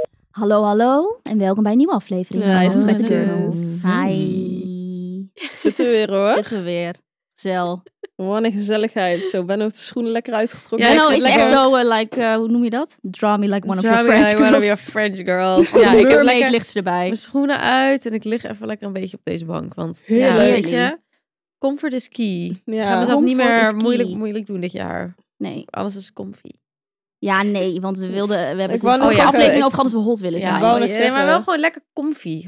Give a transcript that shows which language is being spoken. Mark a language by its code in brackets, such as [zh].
[nl] Hallo, hallo. En welkom bij een nieuwe aflevering. Ja, hi, schatjes. Hi. Zitten we weer, hoor. Zitten we weer. Zel. Wat een gezelligheid. Zo, Ben heeft de schoenen lekker uitgetrokken. Ja, nou, is echt zo, hoe noem je dat? [en] Draw me like one of your French girls. One of your French girls. [nl] Ja, ik heb lekker ligt ze erbij. Mijn schoenen uit en ik lig even lekker een beetje op deze bank. Want, weet je, [en] comfort is key. [nl] Ja. Ik ga mezelf niet meer moeilijk doen dit jaar. Nee. Alles is comfy. Ja, nee, want we hebben een vaste aflevering over gehad dat we hot willen zijn. Ja, nee, maar wel gewoon lekker comfy.